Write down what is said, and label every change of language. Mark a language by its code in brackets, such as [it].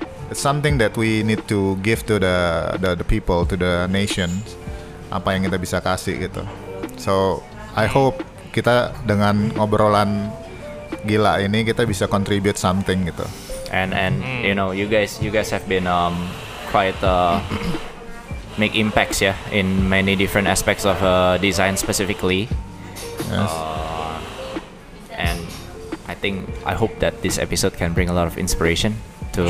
[en] It's something that we need to give to the people, to the nation. [id] Apa yang kita bisa kasih gitu. [en] So I hope [id] kita dengan obrolan gila ini kita bisa [en] contribute something [id] gitu. [en] And you know, you guys have been quite make impacts ya, yeah, in many different aspects of design specifically. Yes. And I think I hope that this episode can bring a lot of inspiration to